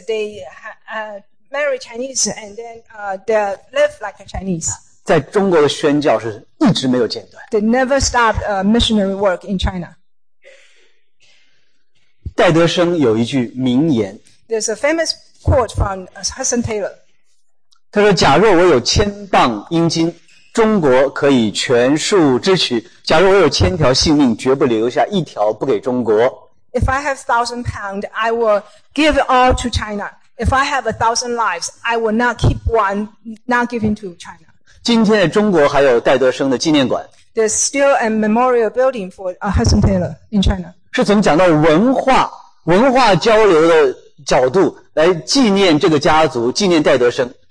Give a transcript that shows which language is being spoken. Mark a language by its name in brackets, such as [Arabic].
[English] They marry Chinese and then they live like a Chinese. [Chinese] 在中国的宣教是一直没有间断。 [English] They never stopped missionary work in China. [Chinese] 戴德生有一句名言 [English] There's a famous quote from Hudson Taylor. [Chinese] 他说假若我有千磅英金中国可以全数支取假若我有千条性命绝不留下一条不给中国 [English] If I have 1,000 pounds, I will give it all to China. If I have 1,000 lives, I will not keep one, not giving to China. [Chinese] 今天的中国还有戴德生的纪念馆 [English] There's still a memorial building for Hudson Taylor in China. [Chinese] 是从讲到文化交流的角度来纪念这个家族，纪念戴德生。